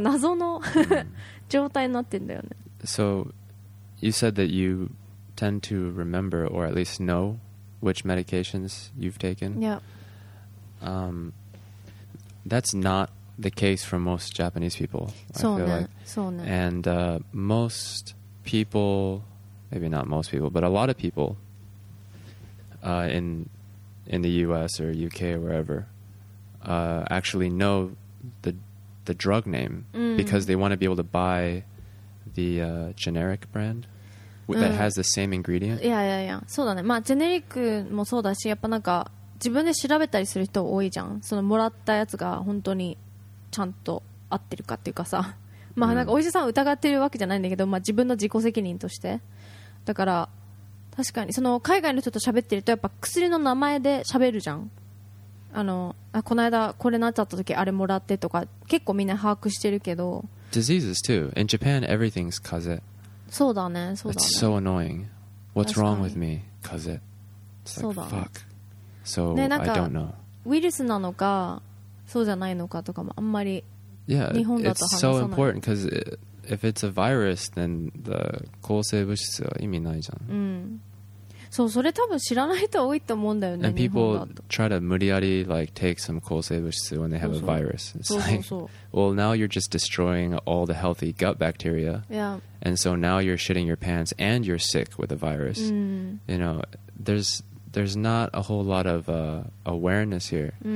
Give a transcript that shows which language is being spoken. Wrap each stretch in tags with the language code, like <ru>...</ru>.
<ja>でもまああれ常に持ち歩くのもちょっと意味わかんないし、あとさ、あれを忘れていくと、忘れて薬剤師のところに行くと、なんかお金取られるんだよね、最近。何十円とか。で、忘れましたって言うとお金取られるんだけど、いりませんって言うとただなの。っていうなんか謎の状態になってんだよね。</ja> <en>So, you said that you tend to remember or at least know which medications you've taken. Yeah. That's not the case for most Japanese people, I feel like. And most people, maybe not most people, but a lot of people in the US or UK or wherever actually know the drug name because they want to be able to buy the generic brand that has the same ingredient.</en> <ja>そうだね。まあ、ジェネリックもそうだし、やっぱなんか 自分で調べたりする人多いじゃん。そのもらったやつが本当にちゃんと合ってるかっていうかさ。まあなんかお医者さん疑ってるわけじゃないんだけど、まあ自分の自己責任として。だから確かにその海外の人と喋ってるとやっぱ薬の名前で喋るじゃん。あの、あ、この間これなっちゃった時あれもらってとか結構みんな把握してるけど。</ja> <en>Diseases too. In Japan everything's kaze.</en> <ja>そうだね、そうだね。</ja> <en>It's so annoying. What's wrong with me? Kaze. It's like fuck. So I don't know.</en> <ja>ウイルスなのか、そうじゃないのかとかもあんまり</ja> <en>Yeah, it's so important because if it's a virus, then the</en> <ja>抗生物質は意味ないじゃん。そう、それ多分知らない人多いと思うんだよね。</ja> <en>And people try to</en> <ja>無理やり</ja> <en>like take some 抗生物質 when they have a virus. It's like, well, now you're just destroying all the healthy gut bacteria. Yeah. And so now you're shitting your pants and you're sick with a virus. You know, there's not a whole lot of awareness here.</en>